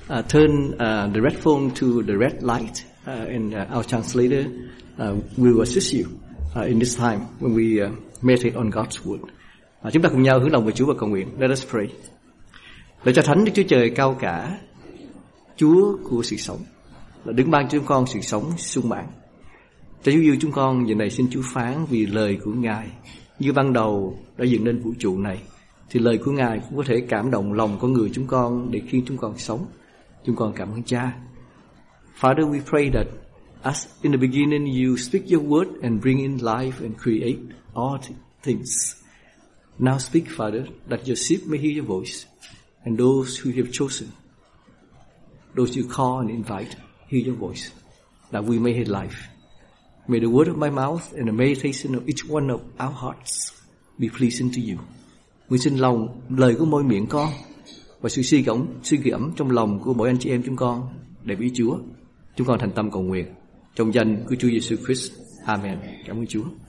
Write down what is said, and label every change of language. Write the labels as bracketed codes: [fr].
[en] Turn the red phone to the red light, and our translator will assist you in this time when we meditate on God's word. [vi] Chúng ta cùng nhau hướng lòng về Chúa và cầu nguyện. [en] Let us pray. [vi] Lạy Cha Thánh, Đức Chúa Trời cao cả, Chúa của sự sống, là đứng ban cho chúng con sự sống sung mãn. Cha Chúa yêu chúng con, giờ này xin Chúa phán vì lời của Ngài. Như ban đầu đã dựng nên vũ trụ này, thì lời của Ngài cũng có thể cảm động lòng con người chúng con để khiến chúng con sống. Chúng con cảm ơn Cha. [en] Father, we pray that as in the beginning you speak your word and bring in life and create all things. Now speak, Father, that your sheep may hear your voice, and those who have chosen, those you call and invite, hear your voice, that we may have life. May the word of my mouth and the meditation of each one of our hearts be pleasing to you. [vi] Nguyện xin lòng lời của môi miệng con và sự suy nghĩ ấm trong lòng của mỗi anh chị em chúng con để với Chúa. Chúng con thành tâm cầu nguyện trong danh của Chúa Giêsu Christ. Amen. Cảm ơn Chúa.